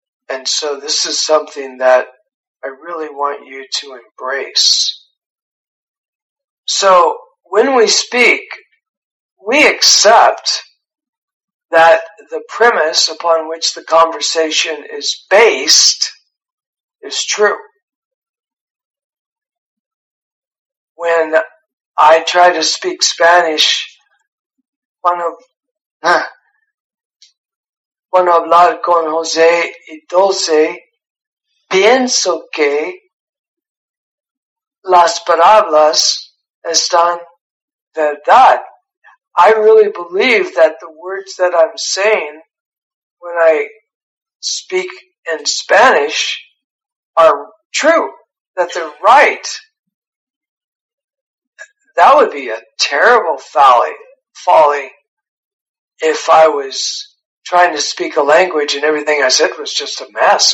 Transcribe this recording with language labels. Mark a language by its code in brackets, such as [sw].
[en] And so this is something that I really want you to embrace. So when we speak, we accept that the premise upon which the conversation is based is true. When I try to speak Spanish, [es] cuando hablar con José y Dulce, pienso que las palabras están verdad. [en] I really believe that the words that I'm saying when I speak in Spanish are true, that they're right. That would be a terrible folly if I was trying to speak a language and everything I said was just a mess.